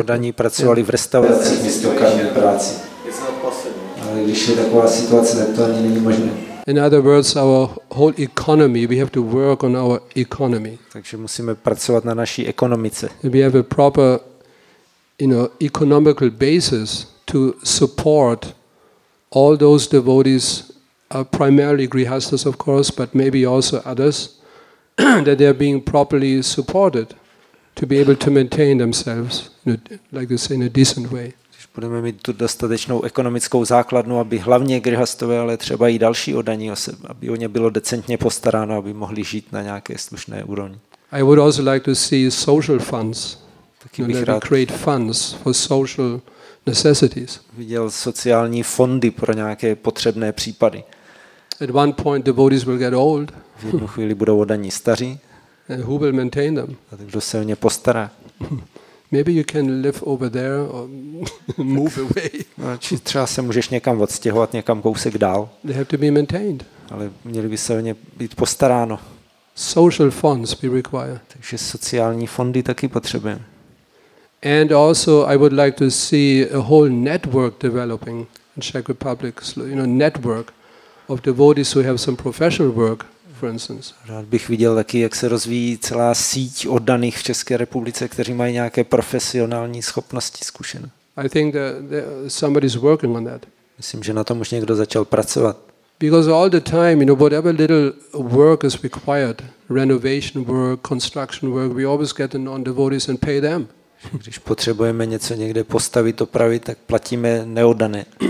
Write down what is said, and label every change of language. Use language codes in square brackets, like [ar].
[cs] Oddaní pracovali v restauraci místo karmi práci. Ale když je taková situace, tak to ani není možné. [en] In other words, our whole economy, we have to work on our economy. [cs] Takže musíme pracovat na naší ekonomice. [en] We have a proper, you know, economical basis to support all those devotees, primarily grihasthas, of course, but maybe also others, that they are being properly supported. To be able to maintain themselves, you know, like they say, in a decent way. [cs] Když budeme mít tu dostatečnou ekonomickou základnu, aby hlavně grihastové, ale třeba i další oddaní osoby, aby o ně bylo decentně postaráno, aby mohli žít na nějaké slušné úrovni. [en] I would also like to see social funds. [cs] Taky bych rád [en] create funds for social necessities. [cs] Viděl sociální fondy pro nějaké potřebné případy. [en] At one point devotees will get old. [cs] V jednu chvíli budou oddaní staří. [en] And who will maintain them? [cs] Kdo se o ně postará? [en] Maybe you can live over there or move away. [cs] Či třeba se můžeš někam odstěhovat, někam kousek dál. [en] They have to be maintained. [cs] Ale měli by se o ně být postaráno. [en] Social funds we require. [cs] Takže sociální fondy taky potřebujeme. [en] And also I would like to see a whole network developing in Czech Republic, you know, network of devotees who have some professional work. [cs] Rád bych viděl taky, jak se rozvíjí celá síť oddaných v České republice, kteří mají nějaké profesionální schopnosti zkušené. [en] I think that somebody is working on that. [cs] Myslím, že na tom už někdo začal pracovat. [en] Because all the time, you know, whatever little work is required, renovation work, construction work, we always get the non-devotees and pay them. [cs] Když potřebujeme něco někde postavit, opravit, tak platíme neoddané.